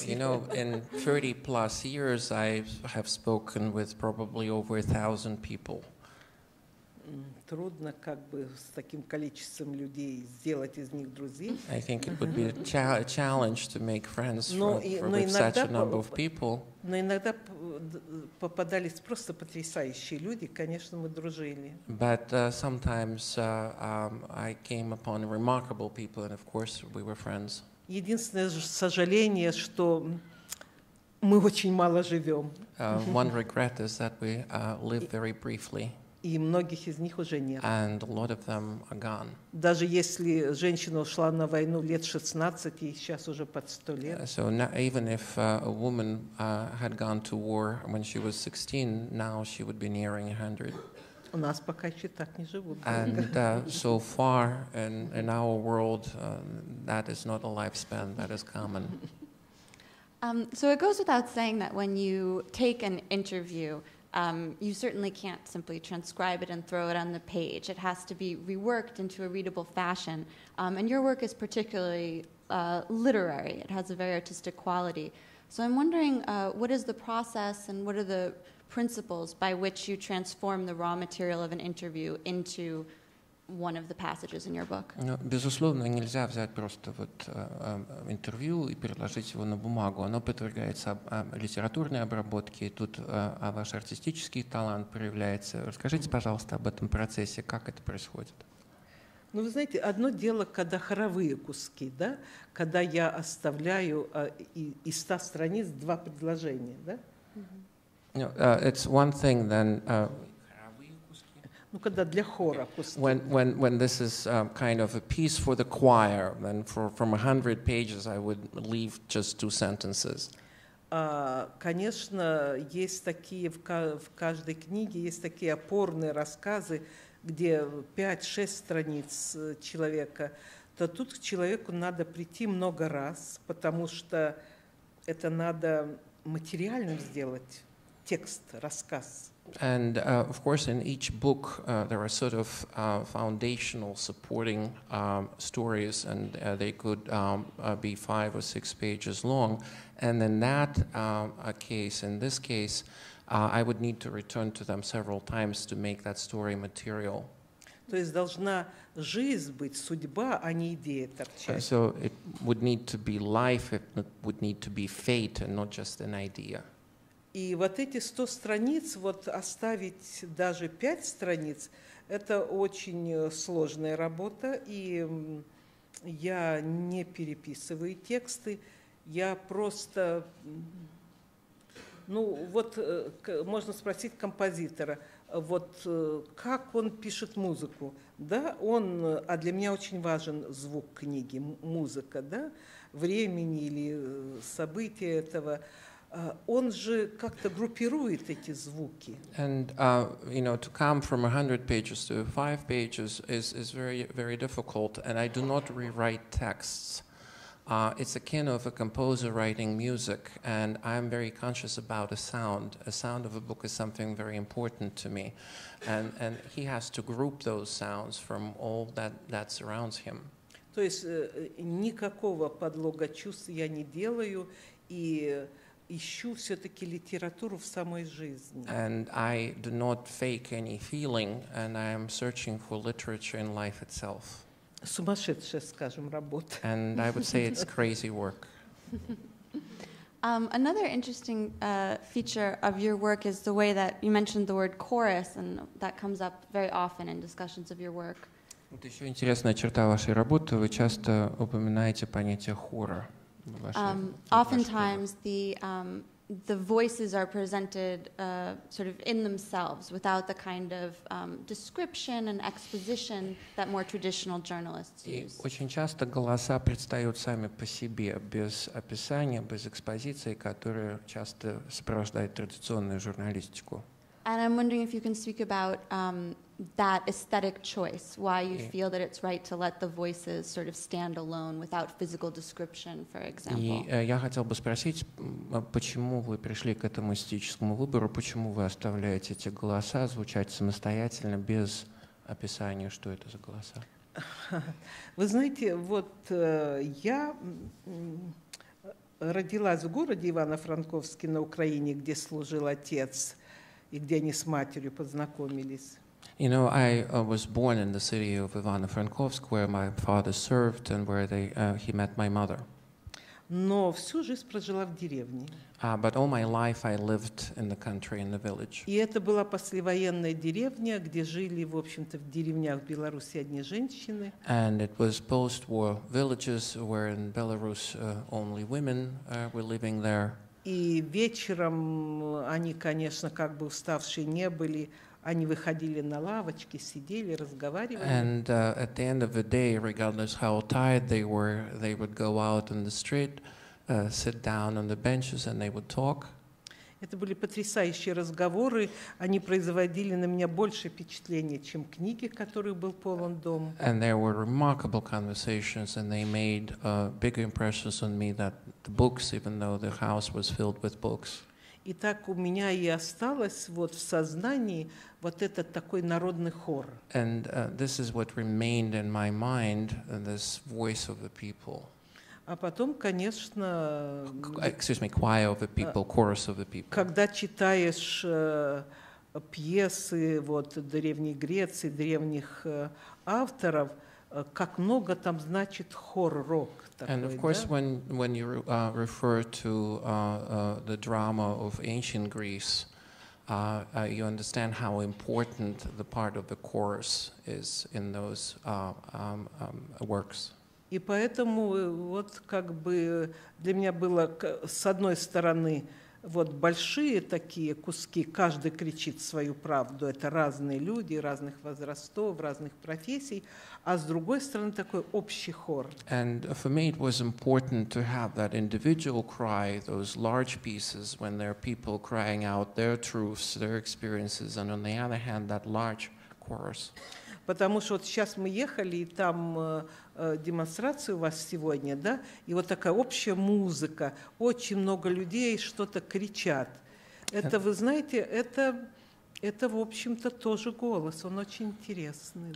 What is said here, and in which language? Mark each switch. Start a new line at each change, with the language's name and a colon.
English: You know, in 30 plus years I have spoken with probably over 1,000 people.
Russian: Трудно как бы с таким количеством людей сделать из них друзей.
English: I think it would be a challenge to make friends with such a number of people.
Russian: Но иногда попадались просто потрясающие люди, конечно, мы дружили.
English: But sometimes I came upon remarkable people, and of course we were friends.
Russian: Единственное сожаление, что Мы очень мало живем.
English: One regret is that we live very briefly.
Russian: И многих из них уже нет.
English: And a lot of them are gone.
Russian: Даже если женщина ушла на войну лет 16 и сейчас уже под 100 лет.
English: So now, even if a woman had gone to war when she was 16, now she would be nearing 100.
Russian: У нас пока еще так не живут.
English: And so far in our world, that is not a lifespan that is common. So it goes without saying that when you take an interview, you certainly can't simply transcribe it and throw it on the page. It has to be reworked into a readable fashion. And your work is particularly literary. It has a very artistic quality. So I'm wondering, what is the process and what are the principles by which you transform the raw material of an interview into one of the passages in your book?
Russian: Ну, безусловно, нельзя взять просто вот интервью и переложить его на бумагу. Оно подвергается литературной обработке, и тут ваш артистический талант проявляется. Расскажите, пожалуйста, об этом процессе, как это происходит? Ну, вы знаете, одно дело, когда хоровые куски, да, когда я оставляю из 100 страниц два предложения, да?
English: No, it's one thing then.
Russian: Ну, когда для хора пусть.
English: When this is kind of a piece for the choir, then from 100 pages I would leave just two sentences.
Russian: Конечно, есть такие в каждой книге есть такие опорные рассказы, где 5-6 страниц человека. То тут к человеку надо прийти много раз, потому что это надо материальным сделать текст, рассказ.
English: And of course, in each book, there are sort of foundational supporting stories, and they could be 5 or 6 pages long. And in that case, in this case, I would need to return to them several times to make that story material.
Russian: То есть должна жизнь быть, судьба, а не идея торчать.
English: So it would need to be life, it would need to be fate, and not just an idea.
Russian: И вот эти 100 страниц, вот оставить даже 5 страниц, это очень сложная работа, и я не переписываю тексты, я просто, ну вот можно спросить композитора, вот как он пишет музыку, да, он, а для меня очень важен звук книги, музыка, да, времени или события этого. Он же как-то группирует эти звуки.
English: And you know, to come from 100 pages to 5 pages is very, very difficult. And I do not rewrite texts. It's akin of a composer writing music, and I'm very conscious about a sound. A sound of a book is something very important to me, and he has to group those sounds from all that surrounds him.
Russian: То есть никакого подлога чувств я не делаю и ищу все-таки литературу в самой жизни.
English: And I do not fake any feeling, and I am searching for literature in life itself.
Russian: Сумасшедшая, скажем, работа.
English: And I would say it's crazy work. Another interesting feature of your work is the way that you mentioned the word chorus, and that comes up very often in discussions of your work.
Russian: Вот еще интересная черта вашей работы. Вы часто упоминаете понятие хора.
English: Oftentimes the voices are presented sort of in themselves without the kind of description and exposition that more traditional journalists use.
Russian: Очень часто голоса предстают сами по себе, без описания, без экспозиции, которые часто сопровождают традиционную журналистику.
English: And I'm wondering if you can speak about that aesthetic choice, why you feel that it's right to let the voices sort of stand alone without physical description, for example.
Russian: И я хотел бы спросить, почему вы пришли к этому эстетическому выбору, почему вы оставляете эти голоса звучать самостоятельно, без описания, что это за голоса? Вы знаете, вот я родилась в городе Ивано-Франковске на Украине, где служил отец, и где они с матерью познакомились.
English: You know, I was born in the city of Ivano-Frankivsk, where my father served and where he met my mother.
Russian: Но всю жизнь прожила в деревне.
English: But all my life I lived in the country, in the village.
Russian: И это была послевоенная деревня, где жили, в общем-то, в деревнях Беларуси одни женщины.
English: And it was post-war villages where in Belarus only women were living there.
Russian: И вечером они, конечно, как бы уставшие не были, они выходили на лавочки, сидели, разговаривали.
English: And at the end of the day, regardless how tired they were, they would go out on the street, sit down on the benches, and they would talk.
Russian: Это были потрясающие разговоры. Они производили на меня больше впечатления, чем книги, которые был полон дом.
English: And there were remarkable conversations, and they made bigger impressions on me than the books, even though the house was filled with books.
Russian: И так у меня и осталось вот в сознании вот этот такой народный хор.
English: And this is what remained in my mind, this voice of the people.
Russian: А потом, конечно,
English: excuse me, choir of the people, chorus of the people.
Russian: Когда читаешь пьесы вот древней Греции, древних авторов, как много там значит хор-рок.
English: And of course, when you refer to the drama of ancient Greece, you understand how important the part of the chorus is in those works.
Russian: И поэтому вот как бы для меня было с одной стороны вот большие такие куски, каждый кричит свою правду, это разные люди разных возрастов, разных профессий, а с другой стороны такой общий хор.
English: And for me it was important to have that individual cry, those large pieces when there are people crying out their truths, their experiences, and on the other hand that large chorus.
Russian: Потому что вот сейчас мы ехали, и там демонстрация у вас сегодня, да? И вот такая общая музыка, очень много людей что-то кричат. Это, вы знаете, это в общем-то, тоже голос, он очень интересный.